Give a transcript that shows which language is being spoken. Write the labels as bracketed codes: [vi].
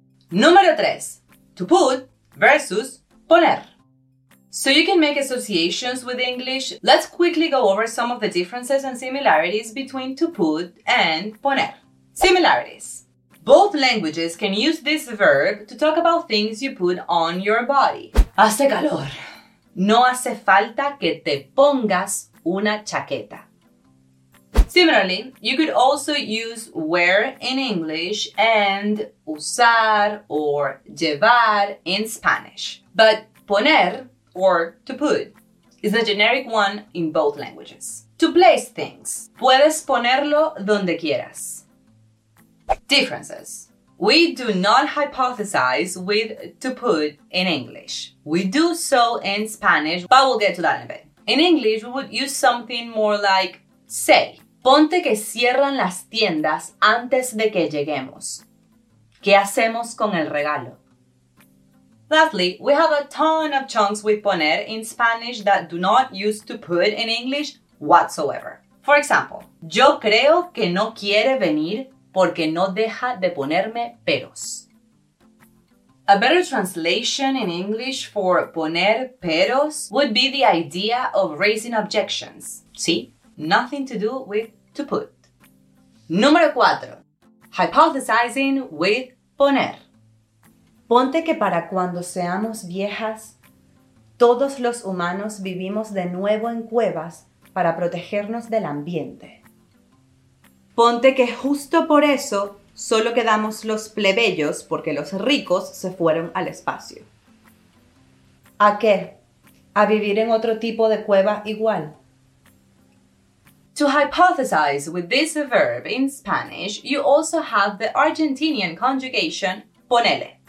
[es] Número [en] 3. To put versus poner. So you can make associations with English, let's quickly go over some of the differences and similarities between to put and poner. Similarities. Both languages can use this verb to talk about things you put on your body. [es] Hace calor. No hace falta que te pongas una chaqueta. [en] Similarly, you could also use wear in English and usar or llevar in Spanish. But poner, or to put, is a generic one in both languages. To place things. [es] Puedes ponerlo donde quieras. [en] Differences. We do not hypothesize with to put in English. We do so in Spanish, but we'll get to that in a bit. In English, we would use something more like say. [es] Ponte que cierran las tiendas antes de que lleguemos. ¿Qué hacemos con el regalo? [en] Lastly, we have a ton of chunks with poner in Spanish that do not use to put in English whatsoever. For example, [es] yo creo que no quiere venir porque no deja de ponerme peros. [en] A better translation in English for poner peros would be the idea of raising objections. [es] ¿Sí? [en] Nothing to do with to put. [es] Número 4. [en] Hypothesizing with poner. [es] Ponte que para cuando seamos viejas, todos los humanos vivimos de nuevo en cuevas para protegernos del ambiente. Ponte que justo por eso solo quedamos los plebeyos porque los ricos se fueron al espacio. ¿A qué? ¿A vivir en otro tipo de cueva igual? [en] To hypothesize with this verb in Spanish, you also have the Argentinian conjugation ponele.